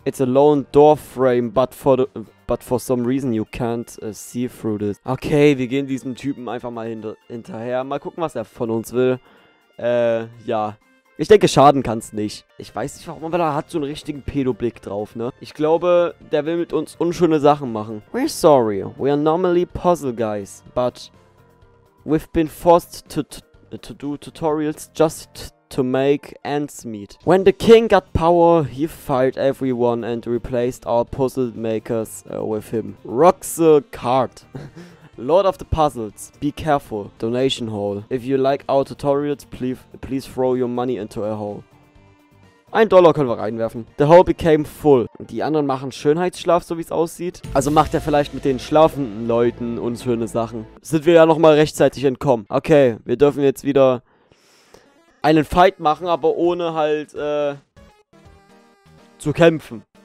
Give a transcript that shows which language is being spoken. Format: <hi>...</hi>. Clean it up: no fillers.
<en>It's a lone door frame, but for some reason you can't see through this.</en> <de>Okay, wir gehen diesem Typen einfach mal hinterher. Mal gucken, was er von uns will. Ja. Ich denke, schaden kann's nicht. Ich weiß nicht, warum, aber da hat so einen richtigen Pedo-Blick drauf, ne? Ich glaube, der will mit uns unschöne Sachen machen.</de> <en>We're sorry. We are normally puzzle guys, but we've been forced to do tutorials just to make ends meet. When the king got power, he fired everyone and replaced all puzzle makers with him. Roxel Card. Lord of the Puzzles, be careful. Donation hole. If you like our tutorials, please throw your money into a hole.</en> <de>$1 können wir reinwerfen.</de> <en>The hole became full.</en> <de>Die anderen machen Schönheitsschlaf, so wie es aussieht. Also macht er vielleicht mit den schlafenden Leuten unschöne Sachen. Sind wir ja nochmal rechtzeitig entkommen. Okay, wir dürfen jetzt wieder einen Fight machen, aber ohne halt zu kämpfen.</de>